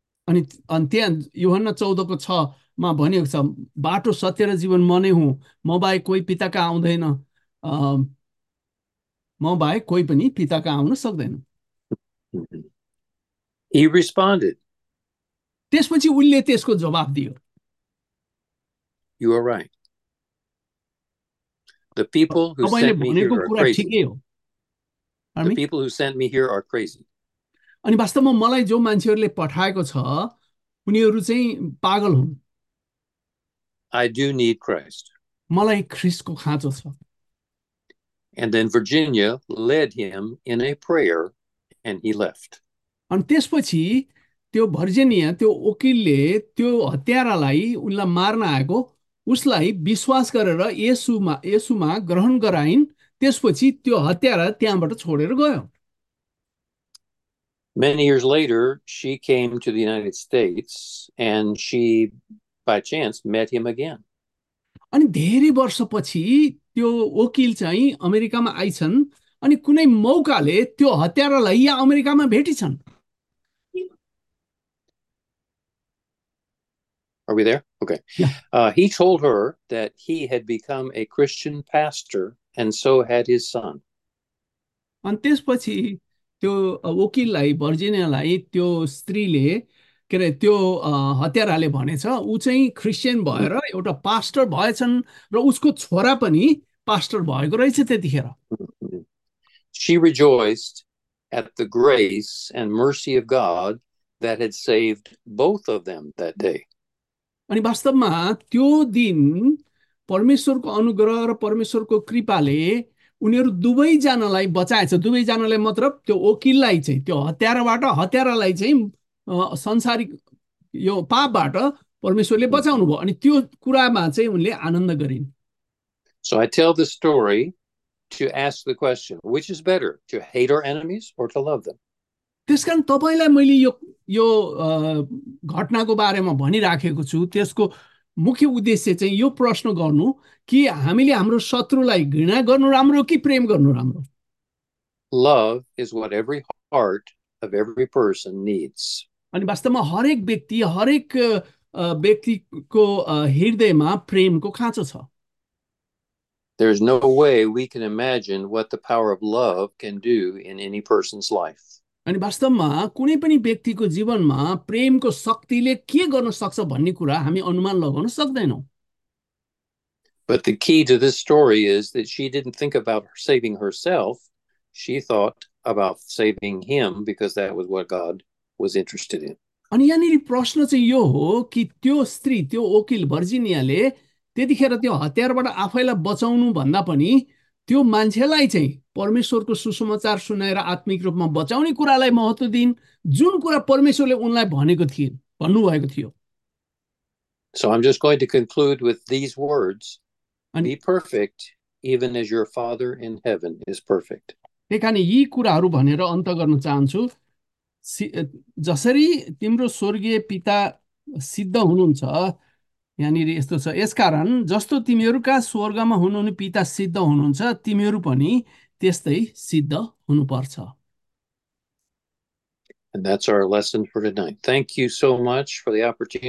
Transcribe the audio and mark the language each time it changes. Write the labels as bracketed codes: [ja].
[ne] अनि त्यहाँ युहन्ना 14:6 भनेको छ, बाटो सत्य र जीवन म नै हुँ, म बाहेक कोही पिताका आउँदैन, म बाहेक कोही पनि पिताका आउन सक्दैन। [en] He responded. [ne] त्यसपछि उनले त्यसको जवाब दियो, [en] You are right. The people who [ne] तपाईँले [en] sent me here [ne] भनेको [en] are [ne] कुरा [en] crazy. [ne] ठिकै हो [en] The [ne] हामी [en] people who sent me here are crazy. [ne] अनि वास्तवमा मलाई जो मान्छेहरूले पठाएको छ उनीहरू चाहिँ पागल हुन् [en] I do need Christ. [ne] मलाई ख्रिस्टको खाँचो छ [en] And then Virginia led him in a prayer and he left. [ne] अनि त्यसपछि त्यो भर्जेनिया त्यो वकिलले त्यो हत्यारालाई उनलाई मार्न आएको उसलाई विश्वास गरेर येसुमा ग्रहण गराइन् त्यसपछि त्यो हत्यारा त्यहाँबाट छोडेर गयो [en] Many years later, she came to the United States and she, by chance, met him again. [ne] अनि धेरै वर्षपछि त्यो वकिल चाहिँ अमेरिकामा आइछन् अनि कुनै मौकाले त्यो हत्यारालाई यहाँ अमेरिकामा भेटिछन् [en] Are we there? Okay. He told her that he had become a Christian pastor and so had his son. [ne] अनि त्यसपछि त्यो वकिललाई भर्जिनियालाई त्यो स्त्रीले के अरे त्यो हत्याराले भनेछ ऊ चाहिँ क्रिस्चियन भएर एउटा पास्टर भएछन् र उसको छोरा पनि पास्टर भएको रहेछ त्यतिखेर [en] She rejoiced at the grace and mercy of God that had saved both of them that day. [ne] अनि वास्तवमा त्यो दिन परमेश्वरको अनुग्रह र परमेश्वरको कृपाले उनीहरू दुवैजनालाई बचाएछ दुवैजनालाई मतलब त्यो वकिललाई चाहिँ त्यो हत्याराबाट हत्यारालाई चाहिँ संसारिक यो पापबाट परमेश्वरले बचाउनु भयो अनि त्यो कुरामा चाहिँ उनले आनन्द गरिन् [en] So I tell the story to ask the question, which is better, to hate our enemies or to love them? [ne] त्यसकारण तपाईँलाई मैले यो यो घटनाको बारेमा भनिराखेको छु त्यसको मुख्य उद्देश्य चाहिँ यो प्रश्न गर्नु कि हामीले हाम्रो शत्रुलाई घृणा गर्नु राम्रो कि प्रेम गर्नु राम्रो [en] Love is what every heart of every person needs. [ne] अनि वास्तवमा हरेक व्यक्ति हरेक व्यक्तिको हृदयमा प्रेमको खाँचो छ [en] There's no way we can imagine what the power of love can do in any person's life. [ne] अनि वास्तवमा कुनै पनि व्यक्तिको जीवनमा प्रेमको शक्तिले के गर्न सक्छ भन्ने कुरा हामी अनुमान लगाउन सक्दैनौँ [en] But the key to this story is that she didn't think about saving herself. She thought about saving him because that was what God was interested in. [ne] अनि यहाँनिर प्रश्न चाहिँ यो हो कि त्यो स्त्री त्यो वकिल भर्जिनियाले त्यतिखेर त्यो हतियारबाट आफैलाई बचाउनु भन्दा पनि त्यो मान्छेलाई चाहिँ परमेश्वरको सुसमाचार सुनाएर आत्मिक रूपमा बचाउने कुरालाई महत्त्व दिन जुन कुरा परमेश्वरले उनलाई भनेको थिए भन्नुभएको थियो [en] So I'm just going to conclude with these words. [ne] अनि [en] Be perfect, even as your Father in heaven is perfect. [ne] त्यही कारण यी कुराहरू भनेर अन्त गर्न चाहन्छु जसरी तिम्रो स्वर्गीय पिता सिद्ध हुनुहुन्छ यहाँनिर यस्तो छ यसकारण जस्तो तिमीहरूका स्वर्गमा हुनुहुने पिता सिद्ध हुनुहुन्छ तिमीहरू पनि त्यस्तै सिद्ध हुनुपर्छ [en] And that's our lesson for tonight. Thank you so much for the opportunity.